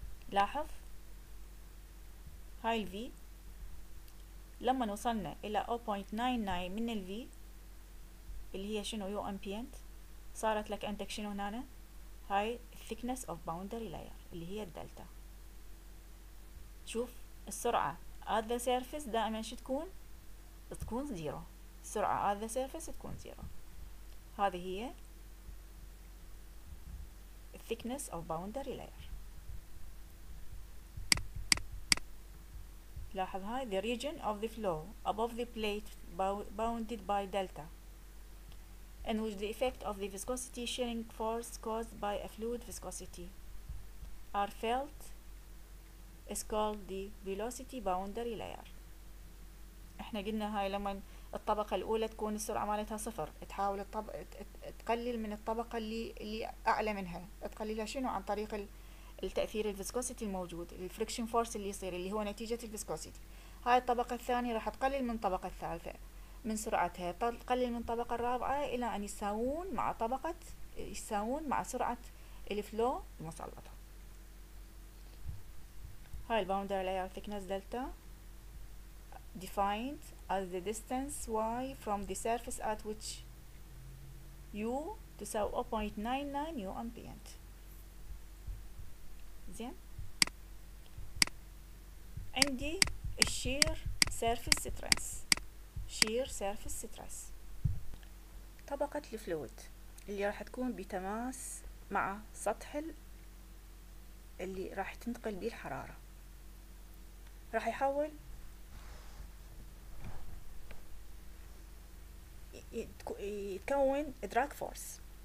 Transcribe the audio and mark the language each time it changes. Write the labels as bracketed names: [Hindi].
[Arabic] لاحظ هاي الفي لما وصلنا الى 0.99 من الفي اللي هي شنو؟ يو امبيانت، صارت لك عندك شنو هنا؟ هاي الثيكنس اوف باوندري لاير اللي هي الدلتا. شوف السرعه ات ذا سيرفيس دائما شو تكون؟ تكون زيرو. السرعه ات ذا سيرفيس تكون زيرو. هذه هي [English] thickness of boundary layer. [Arabic] لاحظ هاي [English] the region of the flow above the plate bounded by delta. and with the effect of the viscosity shearing force caused by a fluid viscosity are felt is called the velocity boundary layer. [Arabic] احنا قلنا هاي لما الطبقة الأولى تكون السرعة مالتها صفر، تحاول الطبقة تقلل من الطبقة اللي أعلى منها، تقللها شنو؟ عن طريق التأثير الفيسكوسيتي الموجود، الفريكشن فورس اللي يصير اللي هو نتيجة الفيسكوسيتي. هاي الطبقة الثانية راح تقلل من الطبقة الثالثة من سرعتها، تقلل من الطبقة الرابعة إلى أن يساوون مع طبقة يساوون مع سرعة الفلو المسلطة. [English] هاي الباوندري layer thickness delta defined as the distance y from the surface at which u [Arabic] تساوي [English] 0.99 u ambient. [Arabic] زين عندي [English] الشير surface stress. [Arabic] شير surface stress طبقة الفلويد اللي راح تكون بتماس مع سطح اللي راح تنتقل به الحرارة، راح يحول يتكون دراج فورس.